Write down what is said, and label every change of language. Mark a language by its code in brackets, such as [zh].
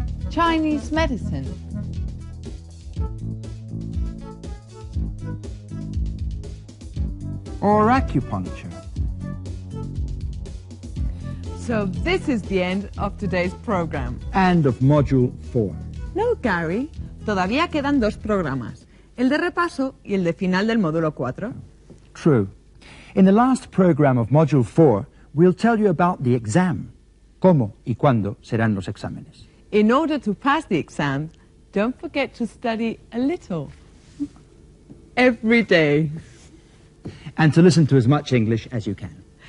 [en] Chinese medicine. Or acupuncture. So this is the end of today's program. And of module 4. [es] No, Gary. Todavía quedan dos programas. El de repaso y el de final del módulo 4. [en] True. In the last program of module 4, we'll tell you about the exam. [es] ¿Cómo y cuándo serán los exámenes? [en] In order to pass the exam, don't forget to study a little. Every day. And to listen to as much English as you can.